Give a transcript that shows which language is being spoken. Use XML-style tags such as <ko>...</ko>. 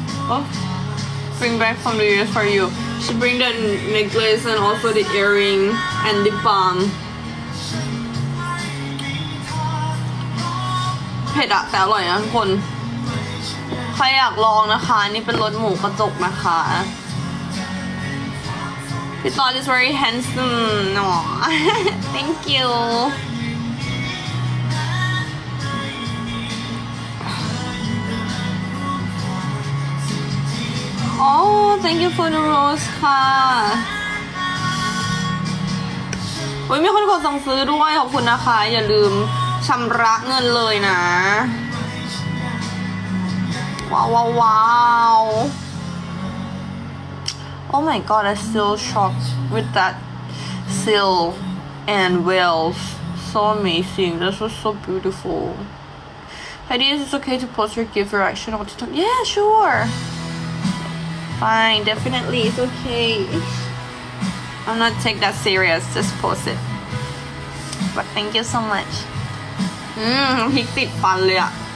<en>Oh, bring back from the US for you. She bring the necklace and also the earring and the balm.</en> <th>เผ็ดอ่ะแต่อร่อยนะทุกคนใครอยากลองนะคะนี่เป็นรสหมูกระจกนะคะ</th> <en>This one is very handsome. No, thank you. Oh, thank you for the rose,</en> <th>ค่ะ วันนี้คนกดสั่งซื้อด้วยขอบคุณนะคะอย่าลืมชำระเงินเลยนะว้าวว้าวว้าว</th> <en>Oh my God, I'm still shocked with that seal and wealth. so amazing. This was so beautiful. Heidi, is it okay to post your gift reaction on TikTok? Yeah, sure. Fine, definitely, it's okay. I'm not take that serious, just post it. But thank you so much. He did fun, yeah.</en>